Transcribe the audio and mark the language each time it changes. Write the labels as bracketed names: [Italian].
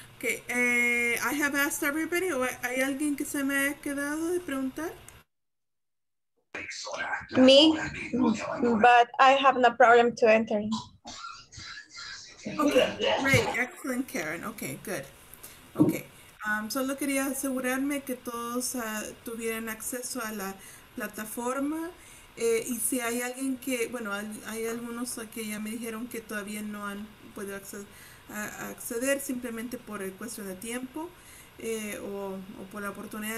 [English] Okay, I have asked everybody, [Spanish] ¿hay alguien que se me ha quedado de preguntar? [English] Me, but I have no problem to enter. Okay, great, excellent, Karen. Okay, good. [Spanish] Okay, solo quería asegurarme que todos tuvieran acceso a la plataforma. Y si hay alguien que, bueno, hay algunos que ya me dijeron que todavía no han podido acceder simplemente por el cuestión de tiempo o por la oportunidad.